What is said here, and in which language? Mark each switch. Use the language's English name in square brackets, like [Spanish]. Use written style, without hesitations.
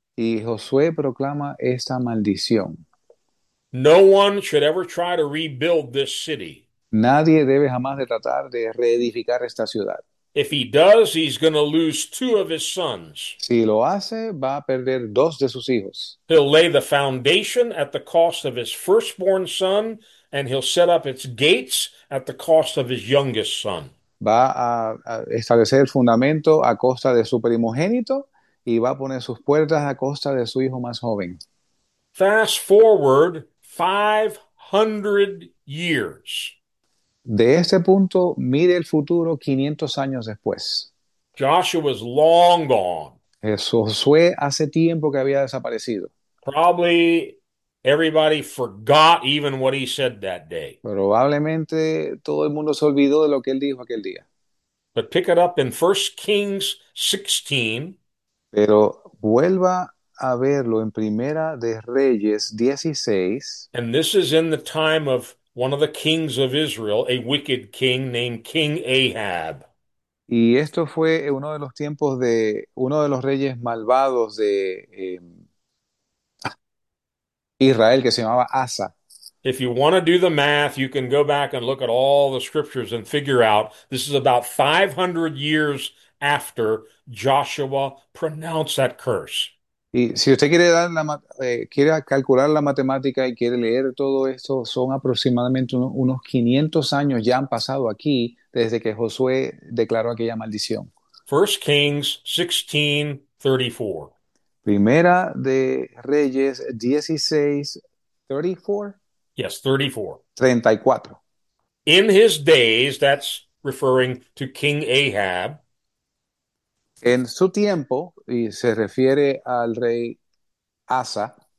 [Spanish] Y Josué proclama esta maldición. [English] No one should ever try to rebuild this city. [Spanish] Nadie debe jamás de tratar de reedificar esta ciudad. [English] If he does, he's going to lose two of his sons. [Spanish] Si lo hace, va a perder dos de sus hijos. [English] He'll lay the foundation at the cost of his firstborn son, and he'll set up its gates at the cost of his youngest son. [Spanish] va a establecer el fundamento a costa de su primogénito y va a poner sus puertas a costa de su hijo más joven. [English] Fast forward 500 years. [Spanish] De este punto, mire el futuro 500 años después. [English] Joshua's long gone. [Spanish] Josué hace tiempo que había desaparecido. [English] Probably everybody forgot even what he said that day. [Spanish] Probablemente todo el mundo se olvidó de lo que él dijo aquel día. [English] But pick it up in 1 Kings 16. [Spanish] Pero vuelva a verlo en Primera de Reyes 16. [English] And this is in the time of one of the kings of Israel, a wicked king named King Ahab. [Spanish] Y esto fue uno de los tiempos de uno de los reyes malvados de Israel que se llamaba Asa. [English] If you want to do the math, you can go back and look at all the scriptures and figure out this is about 500 years after Joshua pronounced that curse. [Spanish] Y si usted quiere dar la quiere calcular la matemática y quiere leer todo esto, son aproximadamente unos 500 años ya han pasado aquí desde que Josué declaró aquella maldición. [English] 1 Kings 16:34. [Spanish] Primera de Reyes 16, 34, [English] Yes, 34. [Spanish] 34. [English] In his days, that's referring to King Ahab. [Spanish] En su tiempo, y se refiere al rey Asa,